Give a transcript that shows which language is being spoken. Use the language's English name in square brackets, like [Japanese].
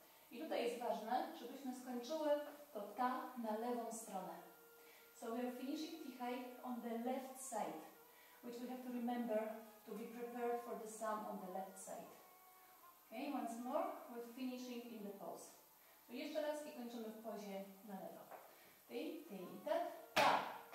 [Polish] I tutaj jest ważne, żebyśmy skończyły to ta na lewą stronę. [English] So we are finishing tihai on the left side, which we have to remember to be prepared for the sound on the left side. Okay, once more, we're finishing in the pose. [Polish] So jeszcze raz i kończymy w pozie na lewo. Ty, ty, ta, ta.